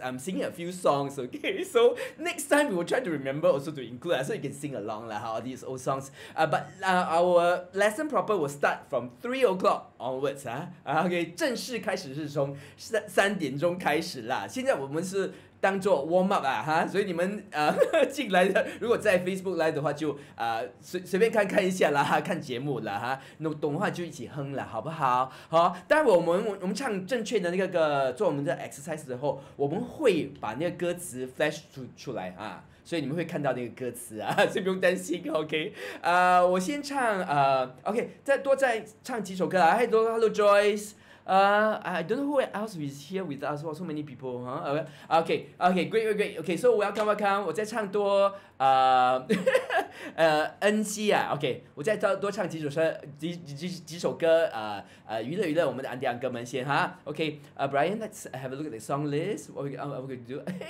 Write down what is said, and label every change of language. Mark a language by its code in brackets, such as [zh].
[en] I'm singing a few songs, okay? So next time we will try to remember also to include, so you can sing along lah, all these old songs. But our lesson proper will start from 3 o'clock onwards, huh? Okay, [zh] 正式开始是从三点钟开始啦，现在我们是当作 warm up 啊，哈，所以你们进来的，如果在 Facebook Live 的话就随便看看一下啦，哈，看节目啦，哈，懂的话就一起哼啦，好不好？好，待会我们唱正确的那个做我们的 exercise 之后，我们会把那个歌词 flash 出来啊，所以你们会看到那个歌词啊，所以不用担心 ，OK？我先唱OK， 再唱几首歌啊 ，Hello Joyce。 [en] I don't know who else is here with us. So many people, huh? Okay, great. Okay, so welcome. [zh] 我再唱多NC 啊 [en] ，OK， [zh] 我再多唱几首歌，娱乐娱乐我们的安迪昂哥们先哈 [en] ，OK， Brian, let's have a look at the song list. What we're gonna do?